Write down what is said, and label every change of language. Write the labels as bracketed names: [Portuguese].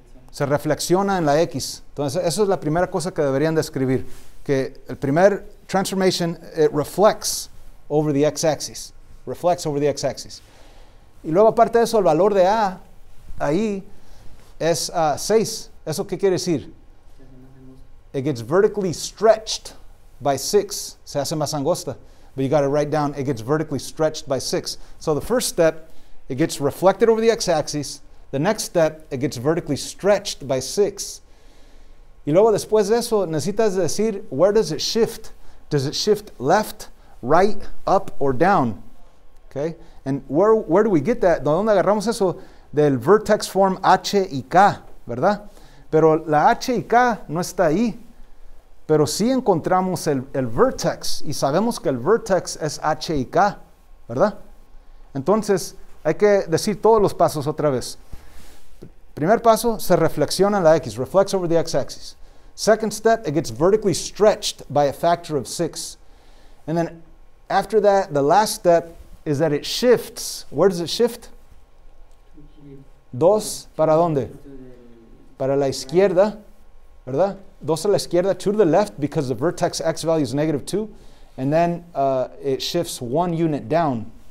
[Spanish] Se reflexiona en la x. Entonces, eso es la primera cosa que deberían describir, que el primer [English] transformation, it reflects over the x-axis. Reflects over the x-axis. [Spanish] Y luego, aparte de eso, el valor de a, ahí, es 6. ¿Eso qué quiere decir? [English] It gets vertically stretched by 6. [Spanish] Se hace más angosta. [English] But you got to write down, it gets vertically stretched by 6. So the first step, it gets reflected over the x-axis. The next step, it gets vertically stretched by 6. [Spanish] Y luego, después de eso, necesitas decir, [English] where does it shift? Does it shift left, right, up, or down? Okay? And where do we get that? [Spanish] ¿Dónde agarramos eso? Del vertex form H y K, ¿verdad? Pero la H y K no está ahí. Pero sí encontramos el vertex. Y sabemos que el vertex es H y K, ¿verdad? Entonces, hay que decir todos los pasos otra vez. Primer paso, se reflexiona la X. [English] Reflects over the X-axis. Second step, it gets vertically stretched by a factor of 6. And then, after that, the last step is that it shifts. Where does it shift? [Spanish] Dos, ¿para dónde? Para la izquierda, ¿verdad? Dos a la izquierda, [English] two to the left, because the vertex x value is negative 2. And then it shifts one unit down.